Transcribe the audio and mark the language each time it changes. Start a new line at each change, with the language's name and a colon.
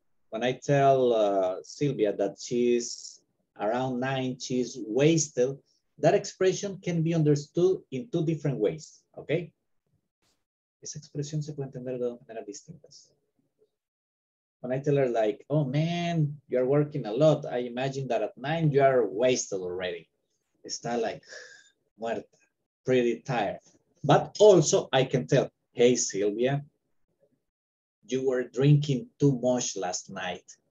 English: When I tell Silvia that she's around 9, she's wasted, that expression can be understood in two different ways, okay?
Spanish: Esa expresión se puede entender de dos maneras distintas.
English: When I tell her like, oh man, you're working a lot, I imagine that at 9 you are wasted already.
Spanish: Está
English: like
Spanish: muerta,
English: pretty tired. But also I can tell, hey Silvia, you were drinking too much last night.